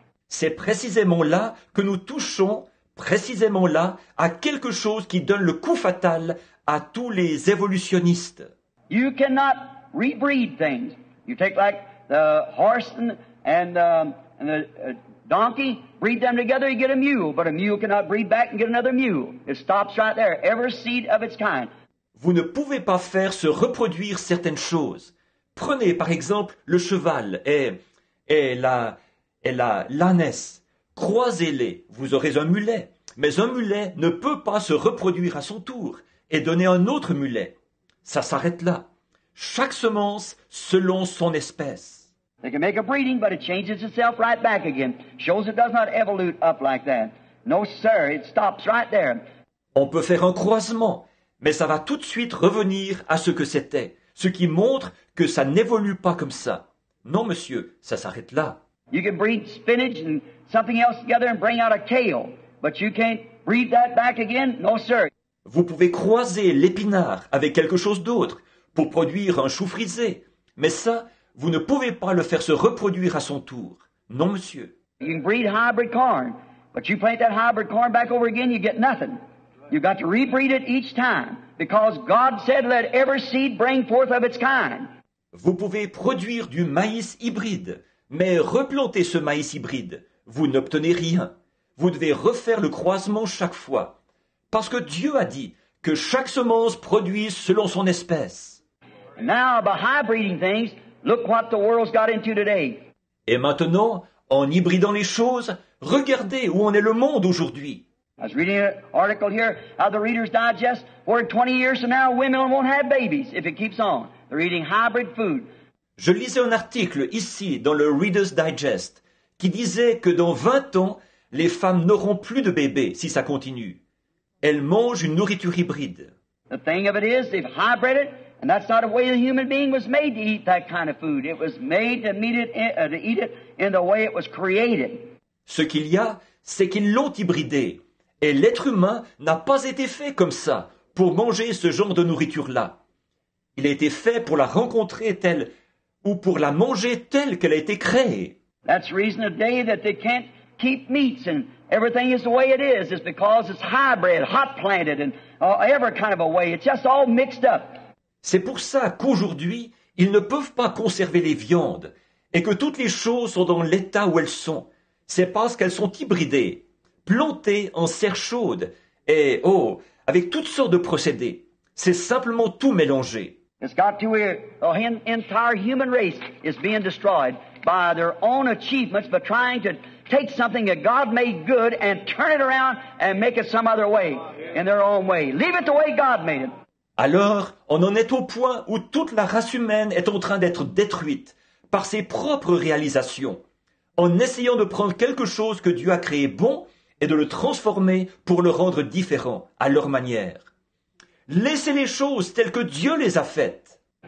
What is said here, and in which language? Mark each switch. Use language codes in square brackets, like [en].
[fr] C'est précisément là que nous touchons, précisément là, à quelque chose qui donne le coup fatal à tous les évolutionnistes. [en] You cannot rebreed things. You take like the horse and the donkey, breed them together, you get a mule. But a mule cannot breed back and get another mule. It stops right there. Every seed of its kind. [fr] Vous ne pouvez pas faire se reproduire certaines choses. Prenez par exemple le cheval et l'ânesse. Croisez-les, vous aurez un mulet. Mais un mulet ne peut pas se reproduire à son tour et donner un autre mulet. Ça s'arrête là. Chaque semence selon son espèce. [en] They can make a breeding, but it changes itself right back again. Shows it does not evolute up like that. No, sir, it stops right there. [fr] On peut faire un croisement, mais ça va tout de suite revenir à ce que c'était, ce qui montre que ça n'évolue pas comme ça. Non, monsieur, ça s'arrête là. [en] You can breed spinach and something else together and bring out a kale, but you can't breed that back again. No, sir. [fr] Vous pouvez croiser l'épinard avec quelque chose d'autre pour produire un chou frisé, mais ça, vous ne pouvez pas le faire se reproduire à son tour. Non, monsieur. [en] You can breed hybrid corn, but you plant that hybrid corn back over again, you get nothing. You got to rebreed it each time, because God said, let every seed bring forth of its kind. [fr] Vous pouvez produire du maïs hybride, mais replanter ce maïs hybride, vous n'obtenez rien. Vous devez refaire le croisement chaque fois. Parce que Dieu a dit que chaque semence produise selon son espèce. [en] Now, about hybriding things, look what the world's got into today. [fr] Et maintenant, en hybridant les choses, regardez où en est le monde aujourd'hui. [en] I was reading an article here, how the Reader's Digest, where 20 years from now, women won't have babies if it keeps on. They're eating hybrid food. [fr] Je lisais un article ici dans le Reader's Digest qui disait que dans 20 ans, les femmes n'auront plus de bébés si ça continue. Elles mangent une nourriture hybride. [en] The thing of it is, they've hybrid it. And that's not the way the human being was made to eat that kind of food. It was made to eat it in the way it was created. [fr] Ce qu'il y a, c'est qu'ils l'ont hybridé. Et l'être humain n'a pas été fait comme ça pour manger ce genre de nourriture-là. Il a été fait pour la rencontrer telle ou pour la manger telle qu'elle a été créée. [en] That's the reason today that they can't keep meats and everything is the way it is. It's because it's hybrid, hot planted and every kind of a way. It's just all mixed up. [fr] C'est pour ça qu'aujourd'hui, ils ne peuvent pas conserver les viandes et que toutes les choses sont dans l'état où elles sont. C'est parce qu'elles sont hybridées, plantées en serre chaude et, oh, avec toutes sortes de procédés. C'est simplement tout mélangé. [en] It's got to where the entire human race is being destroyed by their own achievements, but trying to take something that God made good and turn it around and make it some other way, in their own way. Leave it the way God made it. [fr] Alors, on en est au point où toute la race humaine est en train d'être détruite par ses propres réalisations, en essayant de prendre quelque chose que Dieu a créé bon et de le transformer pour le rendre différent à leur manière. Laissez les choses telles que Dieu les a faites.